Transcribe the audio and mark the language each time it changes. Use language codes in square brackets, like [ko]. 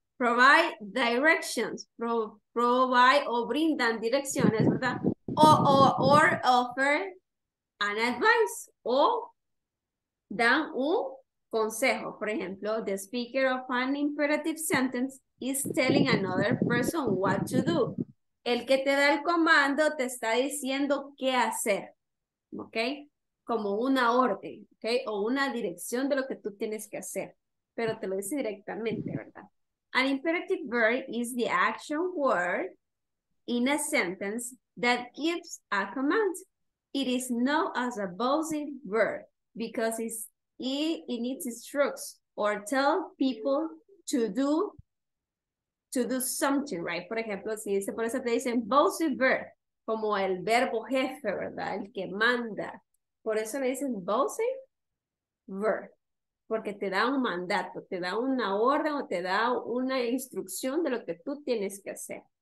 [en] Provide directions. Provide [es] o brindan direcciones, ¿verdad? [en] Or offer an advice. [es] O dan un consejo. [en] For example, the speaker of an imperative sentence is telling another person what to do. [es] El que te da el comando te está diciendo qué hacer, ¿ok? Como una orden, ¿ok? O una dirección de lo que tú tienes que hacer, pero te lo dice directamente, ¿verdad? [en] An imperative verb is the action word in a sentence that gives a command. It is known as a bossy verb because it needs instructs or tell people to do something, right? [es] Por ejemplo, si dice, por eso te dicen bossy verb, como el verbo jefe, ¿verdad? El que manda. Por eso le dicen bossy verb. Porque te da un mandato, te da una orden o te da una instrucción de lo que tú tienes que hacer.